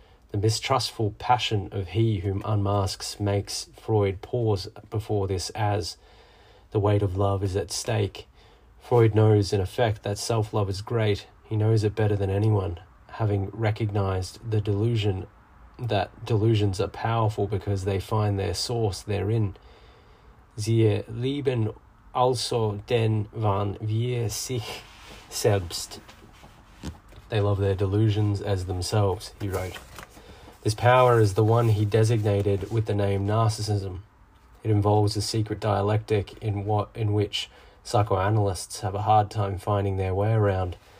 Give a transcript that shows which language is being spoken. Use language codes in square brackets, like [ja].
[en] The mistrustful passion of he whom unmasks makes Freud pause before this as the weight of love is at stake. Freud knows, in effect, that self-love is great. He knows it better than anyone, having recognized the delusion that delusions are powerful because they find their source therein. [de] Sie lieben also den wahn wir sich selbst. [en] They love their delusions as themselves, he wrote. This power is the one he designated with the name narcissism. It involves a secret dialectic in which psychoanalysts have a hard time finding their way around.